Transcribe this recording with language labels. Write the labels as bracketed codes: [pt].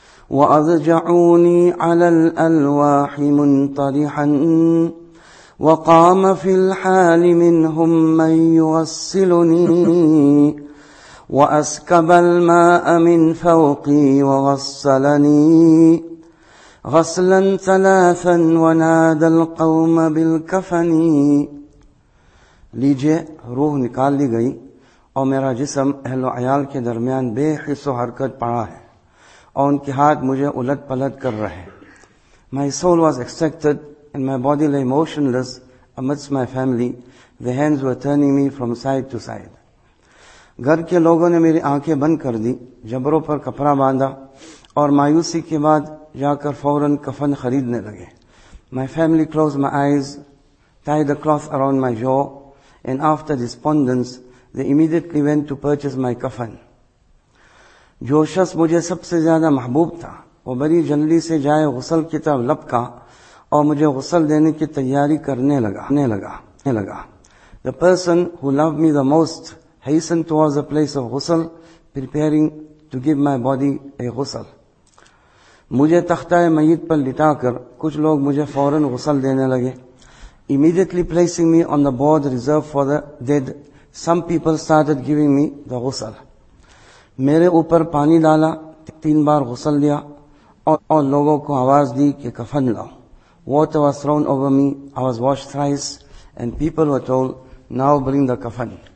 [ar] وأضجعوني على الألواح منطرحا وقام في الحال منهم من يوصلني وأسكب الماء من فوقي ووصلني غسلا ثلاثا ونادى القوم بالكفن. [ur] لیجئے روح نکال لی گئی اور میرا جسم اہل و عیال کے درمیان بے حس و حرکت پڑا ہے اور ان کے ہاتھ مجھے الٹ پلٹ کر رہے. [en] My soul was extracted and my body lay motionless amidst my family. The hands were turning me from side to side. [ur] گھر کے لوگوں نے میری آنکھیں بند کر دی, جبروں پر کپڑا باندھا اور مایوسی کے بعد جا کر فوراً کفن خریدنے لگے. [en] My family closed my eyes, tied a cloth around my jaw and after despondence they immediately went to purchase my coffin. [ur] جو شخص مجھے سب سے زیادہ محبوب تھا وہ بڑی جلدی سے جائے غسل کی طرف لپکا اور مجھے غسل دینے کی تیاری کرنے لگا. [en] The person who loved me the most hastened towards the place of غسل, preparing to give my body a غسل. [ur] مجھے تختہ میت پر لٹا کر کچھ لوگ مجھے فوراً غسل دینے لگے. [en] Immediately placing me on the board reserved for the dead, some people started giving me the غسل. [ur] میرے اوپر پانی ڈالا, تین بار غسل دیا اور لوگوں کو آواز دی کہ کفن لاؤ. [en] Water was thrown over me, I was washed thrice and people were told, now bring the coffin.